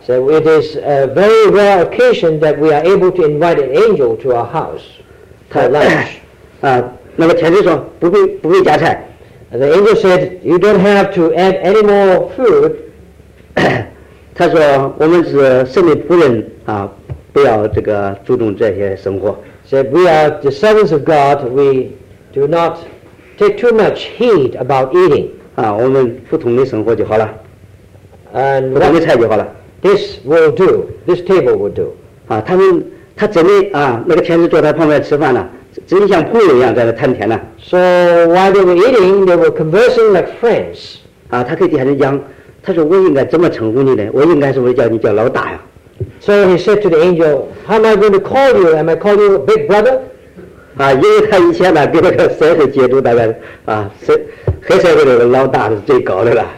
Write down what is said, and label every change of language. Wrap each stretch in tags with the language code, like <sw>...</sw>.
<en>So it is a very rare occasion that we are able to invite an angel to our house for lunch.</en> <zh>那个天使说不必加菜。</zh> <en>The angel said you don't have to add any more food.</en> <zh>他说我们是神的仆人啊，不要这个注重这些生活。</zh> <en>Said we are the servants of God. We do not take too much heed about eating.</en> <zh>我们普通的生活就好了，普通的菜就好了。</zh> <en>This will do. This table will do.</en> <zh>他真的那个天使坐在旁边吃饭呢，真像朋友一样在那谈天呢。</zh> <en>So while they were eating, they were conversing like friends.</en> <zh>他跟底下人讲，他说我应该怎么称呼你呢？我应该是不是叫你叫老大呀</zh> <en>？So he said to the angel, "How am I going to call you? Am I call you big brother?"</en> <zh>因为他以前呢跟那个社会接触，大概黑社会的老大是最高的了。</zh>